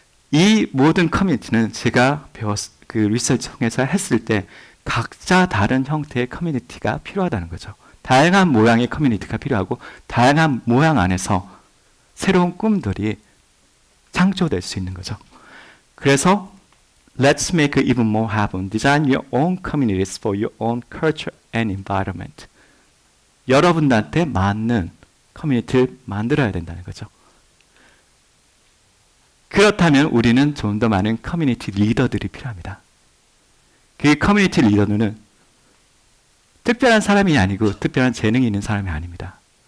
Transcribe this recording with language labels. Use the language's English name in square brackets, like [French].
[Korean] 이 모든 커뮤니티는 제가 리서치 통해서 했을 때 각자 다른 형태의 커뮤니티가 필요하다는 거죠. 다양한 모양의 커뮤니티가 필요하고 다양한 모양 안에서 새로운 꿈들이 창조될 수 있는 거죠. 그래서 [English] Let's make even more happen. Design your own communities for your own culture and environment. [Korean] 여러분들한테 맞는 커뮤니티를 만들어야 된다는 거죠. 그렇다면 우리는 좀 더 많은 커뮤니티 리더들이 필요합니다. 그 커뮤니티 리더는 특별한 사람이 아니고 특별한 재능이 있는 사람이 아닙니다.